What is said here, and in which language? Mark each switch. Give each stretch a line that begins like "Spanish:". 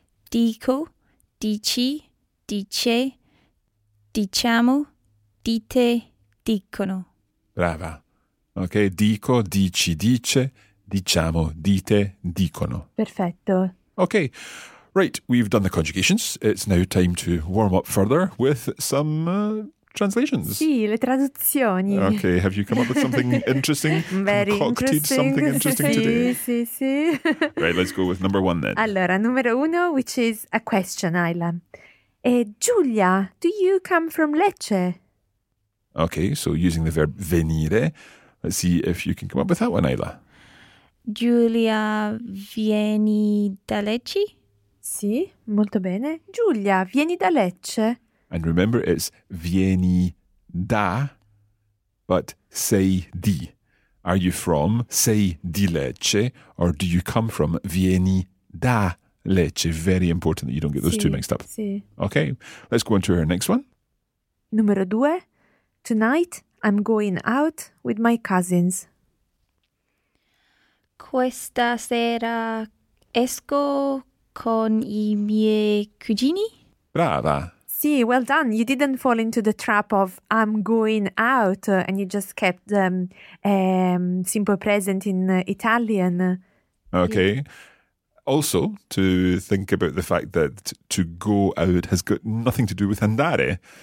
Italian: Dico, dici, dice, diciamo, dite, dicono. Brava. Okay, dico, dici, dice, diciamo, dite, dicono. Perfetto.
English: Okay, right, we've done the conjugations. It's now time to warm up further with some translations.
Italian: Sì, le traduzioni.
English: Okay, have you come up with something interesting? Very concocted interesting. Something interesting
Italian: sì,
English: today?
Italian: Sì, sì.
English: Right, let's go with number one then.
Italian: Allora, numero uno,
English: which is a question, Ayla. Giulia, do you come from Lecce? Okay, so using the verb venire... Let's see if you can come up with that one, Ayla.
Italian: Giulia, vieni da Lecce? Sì, molto bene. Giulia, vieni da Lecce?
English: And remember, it's vieni da, but sei di. Are you from,
Italian: sei di Lecce,
English: or do you come from,
Italian: vieni da Lecce?
English: Very important that you don't get those
Italian: sì,
English: two mixed up.
Italian: Sì.
English: Okay, let's go on to our next one.
Italian: Numero due,
English: tonight... I'm going out with my cousins.
Italian: Questa sera esco con i miei cugini. Brava.
English: Sì, well done. You didn't fall into the trap of I'm going out and you just kept simple present in Italian. Okay. Yeah. Also, to think about the fact that to go out has got nothing to do with andare.